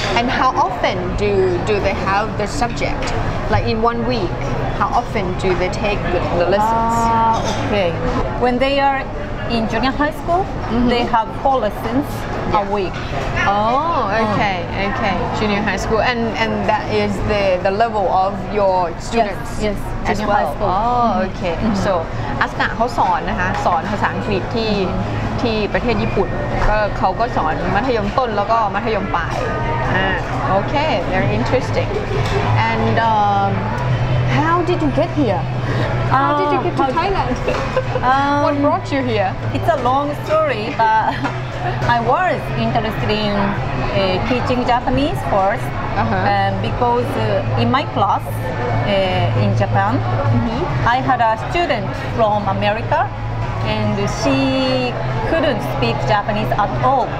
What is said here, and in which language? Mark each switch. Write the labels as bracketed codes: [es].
[en] And how often do they have the subject? Like in 1 week, how often do they take the lessons? Ah, okay. When they are in junior high school, mm-hmm. they have 4 lessons a week. Oh, okay, okay. Junior high school, and that is the level of your students. Yes, yes. As junior well. High school. Oh, okay. Mm-hmm. [th] So, อาสนะเขาสอนนะคะสอนภาษาอังกฤษที่ที่ประเทศญี่ปุ่นก็เขาก็สอนมัธยมต้นแล้วก็มัธยมปลาย [en] okay, very interesting. And how did you get here? How did you get to Thailand? What brought you here? It's a long story, but I was interested in teaching Japanese first because in my class in Japan, mm-hmm. I had a student from America and she couldn't speak Japanese at all.